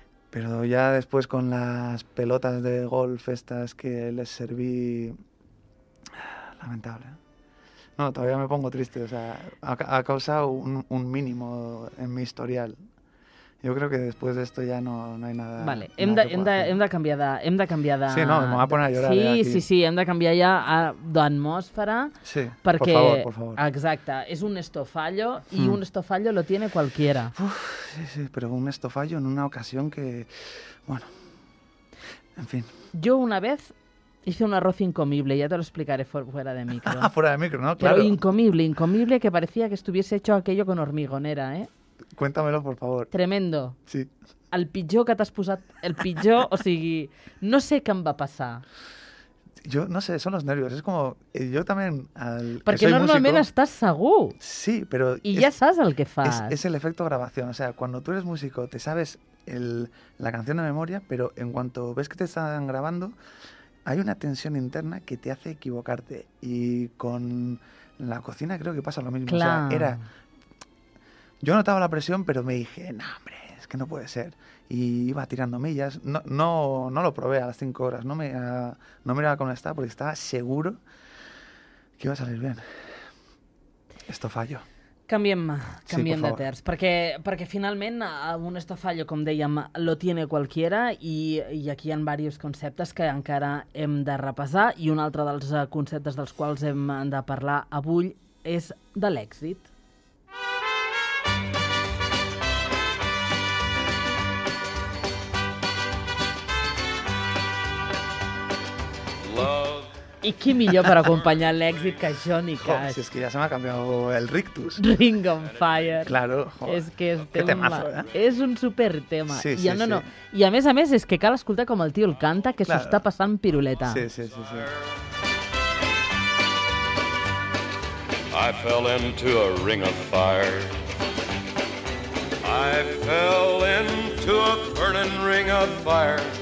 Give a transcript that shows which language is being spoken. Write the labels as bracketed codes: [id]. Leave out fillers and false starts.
[es] Pero ya después con las pelotas de golf estas que les serví... Lamentable, ¿eh? No, todavía me pongo triste, o sea, ha causado un mínimo en mi historial. Yo creo que después de esto ya no hay nada. Vale, nada [ca] hem de canviar de... [es] Sí, no, me voy a poner a llorar. Sí, aquí. [ca] Sí, sí, hem de canviar ya d'atmosfera. Sí, perquè... [es] por favor. [ca] Exacte, és un estofallo [es] y un estofallo lo tiene cualquiera. Uf, sí, sí, pero un estofallo en una ocasión que... Bueno, en fin. Yo una vez... Hice un arroz incomible, ya te lo explicaré fuera de micro. Ah, fuera de micro, ¿no? Claro. Pero incomible, que parecía que estuviese hecho aquello con hormigonera, ¿eh? Cuéntamelo, por favor. Tremendo. Sí. [ca] El pitjor que t'has posat, el pitjor, o sigui, no sé què em va passar. [es] Yo no sé, son los nervios. Es como, yo también, al que soy músico... Porque normalmente estás segur. Sí, pero... Y ya sabes el que fas. Es el efecto grabación, o sea, cuando tú eres músico, te sabes la canción de memoria, pero en cuanto ves que te están grabando... Hay una tensión interna que te hace equivocarte. Y con la cocina creo que pasa lo mismo. Claro. O sea, era... Yo notaba la presión, pero me dije, no, hombre, es que no puede ser. Y iba tirando millas. No lo probé a las 5 horas. No me miraba cómo estaba, porque estaba seguro que iba a salir bien. Esto falló. [ca] Canviem sí, de terç, perquè finalment un estofallo, com dèiem, [es] lo tiene cualquiera [ca] i aquí hi ha diversos conceptes que encara hem de repassar i un altre dels conceptes dels quals hem de parlar avui és de l'èxit. I qui millor per acompanyar l'èxit que Johnny Cash? Si és que ja se m'ha canviat el rictus. Ring on Fire. [es] Claro. [ca] És que és [es] que temazo, eh? [ca] És un supertema. Sí, I, sí, no, sí. No. I a més, és que cal escoltar com el tio el canta, que claro. S'ho està passant piruleta. Sí. [en] I fell into a ring of fire. I fell into a burning ring of fire.